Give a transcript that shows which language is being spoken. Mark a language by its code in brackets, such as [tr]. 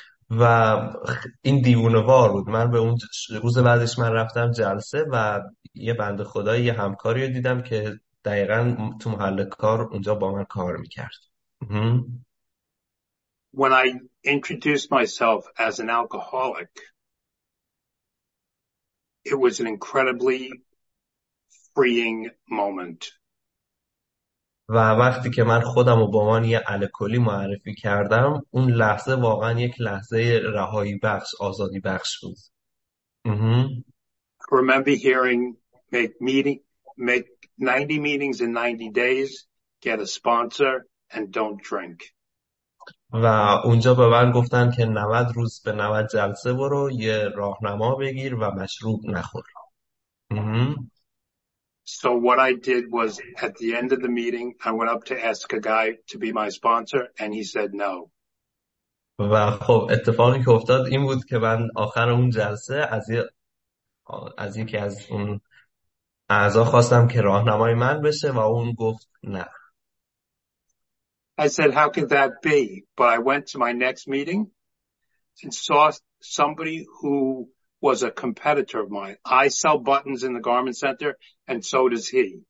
[fa] و این دیوونه وار بود. من به اون روز بعدش من رفتم جلسه و یه بنده خدا یه همکاری رو دیدم که دقیقا تو محل کار اونجا با من کار میکرد. [en] When I introduced myself as an alcoholic, it was an incredibly freeing moment. [fa] و وقتی که من خودم رو به عنوان یه الکلی معرفی کردم اون لحظه واقعا یک لحظه رهایی بخش، آزادی بخش بود. [en] I remember hearing make 90 meetings in 90 days, get a sponsor and don't drink. [fa] و اونجا به من گفتن که 90 روز به 90 جلسه برو یه راهنما بگیر و مشروب نخور. [en] So what I did was at the end of the meeting, I went up to ask a guy to be my sponsor and he said no. [fa] و خب اتفاقی که افتاد این بود که من آخر اون جلسه از یکی از اون اعضا خواستم که راهنمای من بشه و اون گفت نه. [en] I said, how could that be? But I went to my next meeting and saw somebody who was a competitor of mine. I sell buttons in the garment center, and so does he.